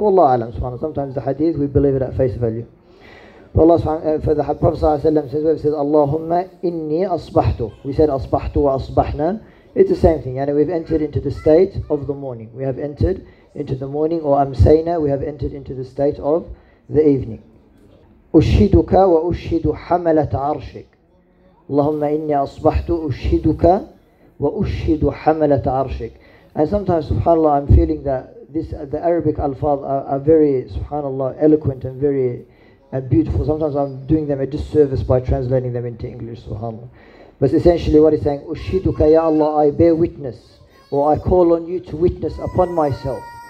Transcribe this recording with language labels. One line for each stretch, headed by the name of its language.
English: Wallahu alam, subhanAllah. Sometimes the hadith, we believe it at face value. But Allah subhanAllah, for the Prophet sallallahu alayhi wa sallam says,
Arabic: Allahumma inni asbahtu.
English: We said asbahtu wa asbahna. It's the same thing. We've entered into the state of the morning. We have entered into the morning, or amsayna, we have entered into the state of the evening.
Arabic: أشهدك وأشهد حملة عرشك اللهم إني أصبحت أشهدك وأشهد حملة عرشك.
English: And sometimes subhanAllah I'm feeling that the Arabic alfaz are very subhanAllah eloquent and very beautiful. Sometimes I'm doing them a disservice by translating them into English, subhanAllah. But essentially what he's saying,
Arabic: أشهدك يا الله,
English: I bear witness, or I call on you to witness upon myself.